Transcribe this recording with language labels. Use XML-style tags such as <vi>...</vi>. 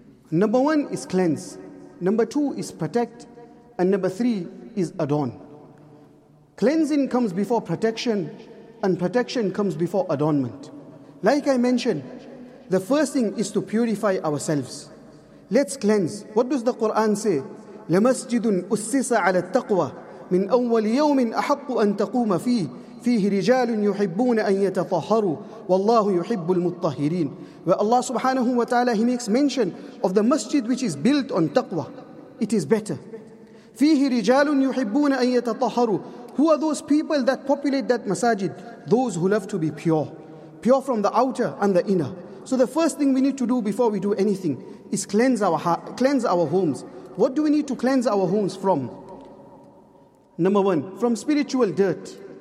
<en>Number one is cleanse. Number two is protect. And number three is adorn. Cleansing comes before protection, and protection comes before adornment. Like I mentioned, the first thing is to purify ourselves. Let's cleanse. What does the Quran say?</en> <ar>لَمَسْجِدٌ أُسِّسَ عَلَى التَّقْوَى مِنْ أَوَّلِ يَوْمٍ أَحَقُّ أَن تَقُومَ فِيهِ فيه رجال يحبون أن يتطهروا والله يحب المطهرين.</ar> <en>Where Allah subhanahu wa ta'ala, he makes mention of the masjid which is built on taqwa. It is better.</en> <ar>فيه رجال يحبون أن يتطهروا.</ar> <en>Who are those people that populate that masajid? Those who love to be pure. Pure from the outer and the inner. So the first thing we need to do before we do anything is cleanse our homes. What do we need to cleanse our homes from? Number one, from spiritual dirt.</en>